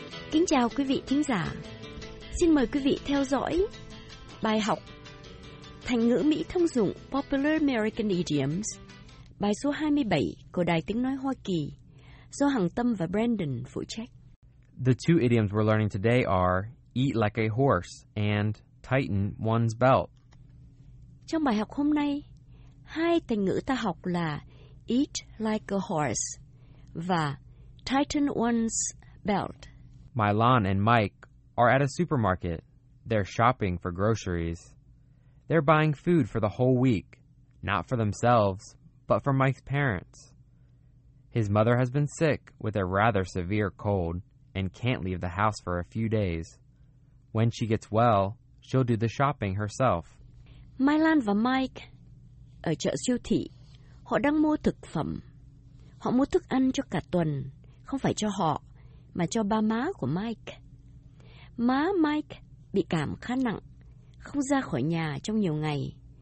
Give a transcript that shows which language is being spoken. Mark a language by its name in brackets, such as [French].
[Vietnamese] Kính chào quý vị thính giả. Xin mời quý vị theo dõi bài học Thành ngữ Mỹ thông dụng [English] Popular American Idioms, [Vietnamese] bài số 27 của Đài Tiếng Nói Hoa Kỳ, do Hằng Tâm và Brandon phụ trách. [English] The two idioms we're learning today are eat like a horse and tighten one's belt. [Vietnamese] Trong bài học hôm nay, hai thành ngữ ta học là [English] eat like a horse [Vietnamese] và [English] tighten one's belt. Mylon and Mike are at a supermarket. They're shopping for groceries. They're buying food for the whole week, not for themselves, but for Mike's parents. His mother has been sick with a rather severe cold and can't leave the house for a few days. When she gets well, she'll do the shopping herself. [Vietnamese] Mylon và Mike ở chợ siêu thị. Họ đang mua thực phẩm. Họ mua thức ăn cho cả tuần, không phải cho họ, mà cho ba má của Mike. Má Mike bị cảm khá nặng, không ra khỏi nhà trong nhiều ngày.